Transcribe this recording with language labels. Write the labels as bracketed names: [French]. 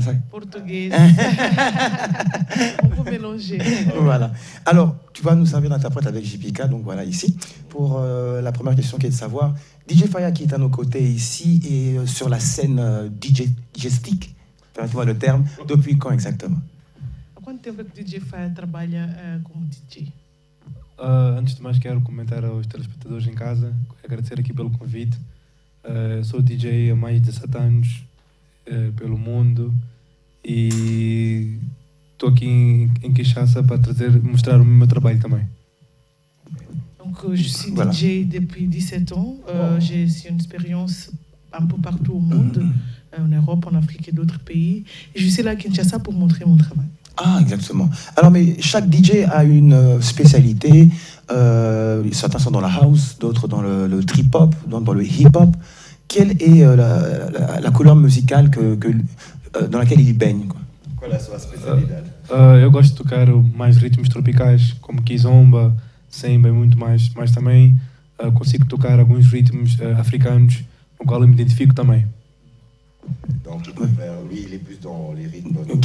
[French] Portugais. Beaucoup mélangé. Voilà. Alors, tu vas nous servir d'interprète avec JPK, donc voilà ici, pour la première question qui est de savoir, DJ Faya qui est à nos côtés ici et sur la scène DJ-stick, permettez-moi le terme, depuis quand exactement? [Portuguese] Quanto tempo é que o DJ Faya trabalha como DJ? Antes de mais, quero comentar aos telespectadores em casa, agradecer aqui pelo convite. Sou DJ há mais de 17 anos, pelo mundo, e estou aqui em Kinshasa para trazer, mostrar o meu trabalho também. Então, eu sou DJ depois 17 anos, [French] j'ai une expérience un peu partout au monde, en Europe, en Afrique et d'autres pays. Et je suis là à Kinshasa pour montrer mon travail. Ah, exactement. Alors, mais chaque DJ a une spécialité. Certains sont dans la house, d'autres dans le trip-hop, d'autres dans le hip-hop. Quelle est la couleur musicale dans laquelle il baigne, quoi? [Portuguese] Qual é a sua especialidade? Eu gosto de tocar mais ritmos tropicais, como kizomba, samba e muito mais. Mas também consigo tocar alguns ritmos africanos, com qual eu me identifico também. Então, eu prefiro, lui, ele é mais [French] dans les [Portuguese] ritmos